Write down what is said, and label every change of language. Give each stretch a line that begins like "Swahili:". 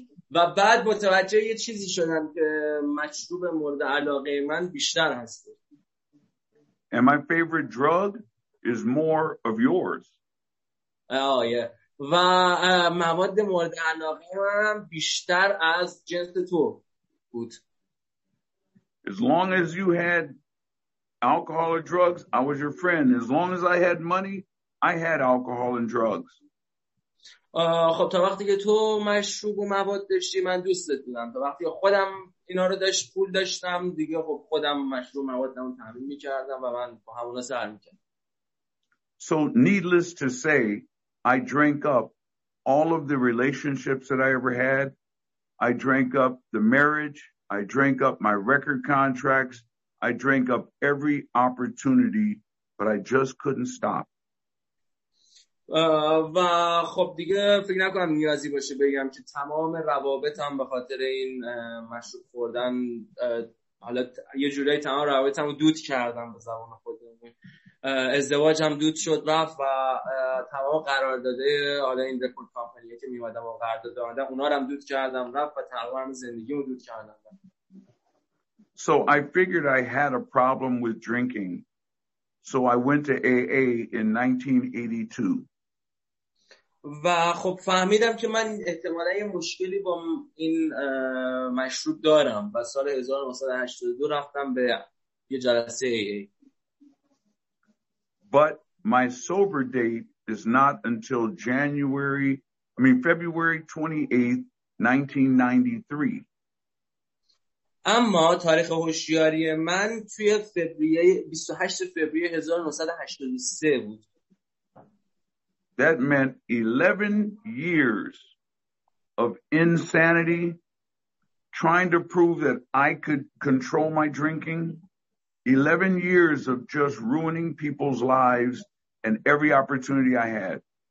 Persian: و بعد متوجه یه چیزی شدم که مشروب مورد علاقه من بیشتر هست.
English: And my favorite drug is more of yours.
Persian: و مواد مورد علاقه من بیشتر از جنس تو بود.
English: As long as you had alcohol or drugs, I was your friend. As long as I had money, I had alcohol and drugs.
Persian: خب تا وقتی که تو مشروب و مواد داشتی من دوستت بودم، تا وقتی خودم اینا رو داشت پول داشتم دیگه، خب خودم مشروب مواد رو تامین می‌کردم و من با همونا سر می‌کردم.
English: So needless to say, I drank up all of the relationships that I ever had. I drank up the marriage, I drank up my record contracts, I drank up every opportunity, but I just couldn't stop.
Persian: و خب دیگه فکر نکنم نیازی باشه بگم که تمام روابطم به خاطر این مشروب خوردن، حالا یه جوری تمام روابطم رو دود کردم به زبان خودمون، ازدواجم دود شد رفت و تمام قرارداده، حالا این رکورد کمپانی که میومدم و قرارداد دادم اونا رو هم دود کردم رفت و تمام زندگیمو دود کردم.
English: So I figured I had a problem with drinking. So I went to AA in 1982.
Persian: و خب فهمیدم که من احتمالا یه مشکلی با این مشروب دارم و سال 1982 رفتم به یه جلسه AA.
English: But my sober date is not until February 28th, 1993.
Persian: اما تاریخ هوشیاری من توی فوریه 28 فوریه 1983 بود.
English: That meant 11 years of insanity, trying to prove that I could control my drinking, 11 years of just ruining people's lives and every opportunity I had.